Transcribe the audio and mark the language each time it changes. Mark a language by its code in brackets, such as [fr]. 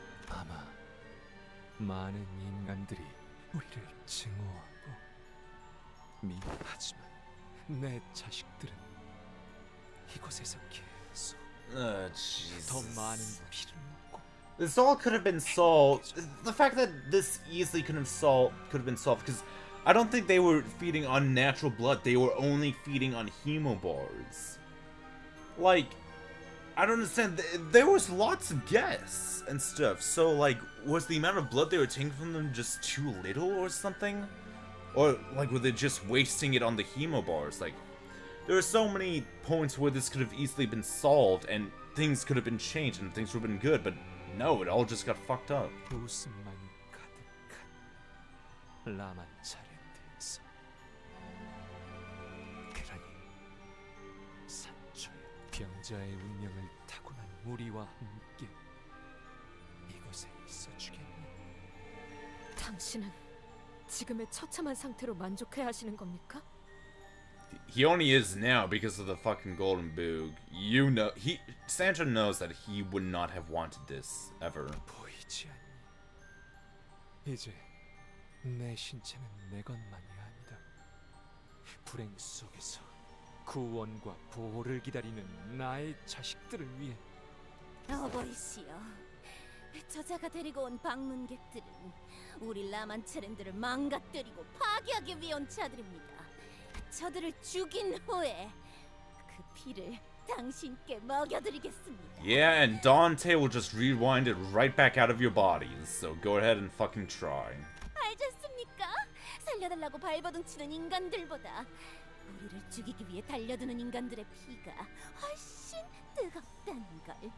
[ko] 아마 많은 인간들이 우리를 증오하고 미워하지만 내 자식들은 이곳에서 계속 더 많은 피를 먹고. [en] This all could have been solved. The fact that this easily could have been solved because I don't think they were feeding on natural blood. They were only feeding on hemobars. Like. I don't understand. There was lots of guests and stuff. So, like, was the amount of blood they were taking from them just too little or something? Or, like, were they just wasting it on the hemobars? Like, there are so many points where this could have easily been solved and things could have been changed and things would have been good, but no, it all just got fucked up. [ko] 웃음만 가득한 라만 차렌드에서 그러니 산초의 병자의 운명을 우리와 함께 이곳에 있어주겠니? 당신은 지금의 처참한 상태로 만족해 하시는 겁니까? [en] He only is now because of the fucking golden boog. You know, he Sandra knows that he would not have wanted this ever. [ko] 보이지 않니? 이제 내 신체는 내 것만이 아니다. 불행 속에서 구원과 보호를 기다리는 나의 자식들을 위해. 어버이시여, 저자가 데리고 온 방문객들은 우리 라만 차렌드를 망가뜨리고 파괴하기 위한 자들입니다. 저들을 죽인 후에 그 피를 당신께 먹여드리겠습니다. [en] Yeah, and Dante will just rewind it right back out of your body. So go ahead and fucking try. [ko] 알겠습니까? 살려달라고 발버둥치는 인간들보다 우리를 죽이기 위해 달려드는 인간들의 피가 훨씬 뜨겁다는 걸.